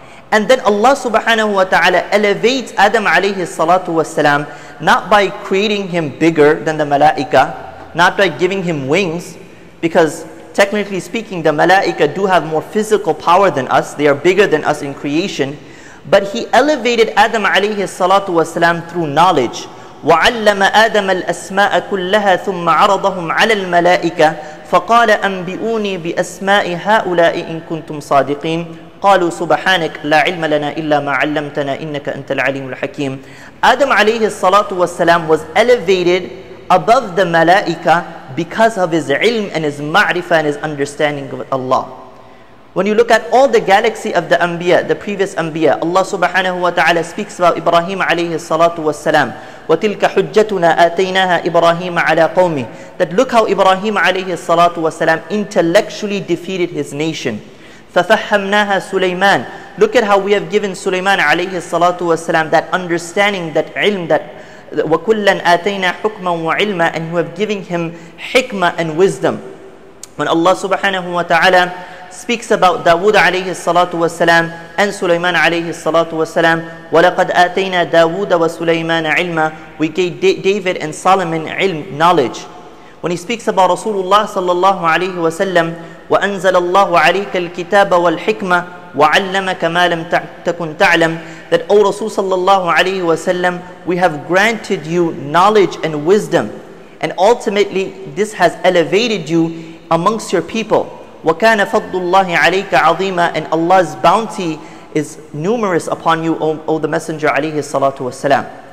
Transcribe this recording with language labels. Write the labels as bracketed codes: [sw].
[en] And then Allah subhanahu wa ta'ala elevates Adam alayhi salatu wa salam, not by creating him bigger than the malaika, not by giving him wings, because technically speaking, the malaika do have more physical power than us, they are bigger than us in creation, but he elevated Adam alayhi salatu wa salam through knowledge. [ar] وَعَلَّمَ آدَمَ الْأَسْمَاءَ كُلَّهَا ثُمَّ عَرَضَهُمْ عَلَى الْمَلَائِكَةَ فَقَالَ أَنْبِئُونِي بِأَسْمَاءِ هَؤُلَاءِ إِن كُنْتُمْ صَادِقِينَ قَالُوا سُبْحَانَكَ لَا عِلْمَ لَنَا إِلَّا مَا عَلَّمْتَنَا إِنَّكَ أَنْتَ الْعَلِيمُ الْحَكِيمُ. [en] Adam alayhi salatu wa salam was elevated above the malaika because of his ilm and his ma'rifah and his understanding of Allah. When you look at all the galaxy of the anbiya, the previous anbiya, Allah subhanahu wa ta'ala speaks about Ibrahim alayhi salatu wa salam. [ar] وَتِلْكَ حُجَّتُنَا آتَيْنَاهَا إِبْرَاهِيمَ عَلَىٰ قَوْمِهِ. [en] That look how Ibrahim alayhi salatu wa salam intellectually defeated his nation. [ar] فَفَحَّمْنَاهَا سُلَيْمَانَ. [en] Look at how we have given Sulaiman alayhi salatu wa salam that understanding, that ilm, that [ar] وَكُلًّا آتَيْنَا حُكْمًا وَعِلْمًا. [en] And you have given him hikmah and wisdom. When Allah subhanahu wa ta'ala speaks about Dawood alayhi salatu wa salam and Sulaiman alayhi salatu wa salam, [ar] وَلَقَدْ آتَيْنَا دَاوُودَ وَسُلَيْمَانَ عِلْمًا. [en] We gave David and Solomon ilm, knowledge. When he speaks about Rasulullah sallallahu alayhi wa sallam, [ar] وَأَنزَلَ اللَّهُ عَلَيْكَ الْكِتَابَ وَالْحِكْمَةَ وَعَلَّمَكَ مَا لَمْ تَكُنْ تَعْلَمْ. [en] That O Rasul sallallahu alayhi wa sallam, we have granted you knowledge and wisdom, and ultimately this has elevated you amongst your people. [ar] وَكَانَ فَضْلُ اللَّهِ عَلَيْكَ عَظِيمًا. [en] And Allah's bounty is numerous upon you, O the Messenger alayhi salatu wa sallam.